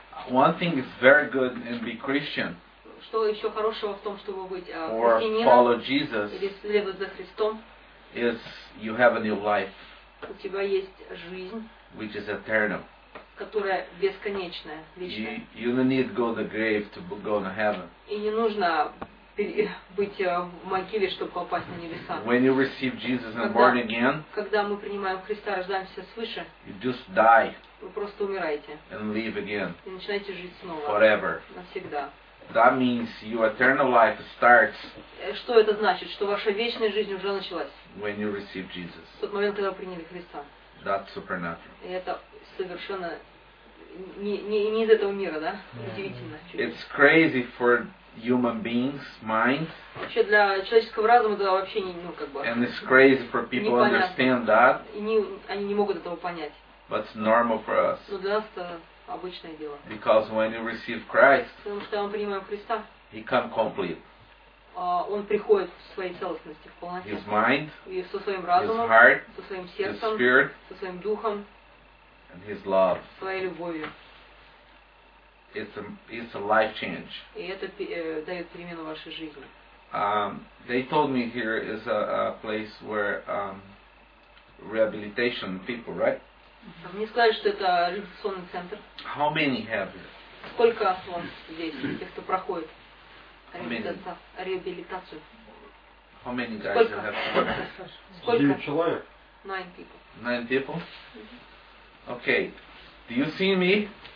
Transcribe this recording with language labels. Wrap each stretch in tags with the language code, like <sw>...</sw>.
<en>One thing is very good and be Christian.</en> <ru>Что еще хорошего в том, чтобы быть христианином или следовать за Христом?</ru> <en>Is you have a new life,</en> <ru>у тебя есть жизнь,</ru> <en>which is eternal,</en> <ru>которая бесконечная, вечная.</ru> <en>You don't need go to the grave to go to heaven.</en> <ru>И не нужно быть в могиле, чтобы попасть на небеса.</ru> <en>When you receive Jesus and born again,</en> <ru>когда мы принимаем Христа, рождаемся свыше.</ru> <en>You just die.</en> <ru>Вы просто умираете.</ru> <en>And live again.</en> <ru>И начинаете жить снова.</ru> <en>Forever.</en> <ru>Навсегда.</ru> <en>That means your eternal life starts.</en> <ru>Что это значит, что ваша вечная жизнь уже началась?</ru> <en>When you receive Jesus.</en> <ru>В тот момент, когда вы приняли Христа.</ru> <en>That's supernatural.</en> <ru>И это совершенно не из этого мира, да? Удивительно.</ru> <en>It's crazy for human beings' minds.</en> <ru>Вообще для человеческого разума это вообще не, ну как бы.</ru> <en>And it's crazy for people to understand that.</en> <ru>И они не могут этого понять.</ru> <en>But it's normal for us.</en> <ru>Но для нас-то обычное дело.</ru> <en>Because when you receive Christ,</en> <ru>потому что мы принимаем Христа,</ru> <en>He come complete.</en> <ru>он приходит в своей целостности, в полноте.</ru> <en>His mind,</en> <ru>и со своим разумом,</ru> <en>his heart,</en> <ru>со своим сердцем,</ru> <en>his spirit,</en> <ru>со своим духом,</ru> <en>and his love.</en> <ru>Своей любовью.</ru> <en>It's a life change.</en> <ru>И это дает перемену вашей жизни.</ru> <en>They told me here is a place where rehabilitation people, right?</en> <ru>Мне сказали, что это реабилитационный центр.</ru> <en>How many have it?</en> <ru>Сколько вон здесь тех, кто проходит реабилитацию?</ru> <en>How many guys have it?</en> <ru>Сколько? 9 человек.</ru> <en>9 people. 9 people? Okay. Do you see me?</en>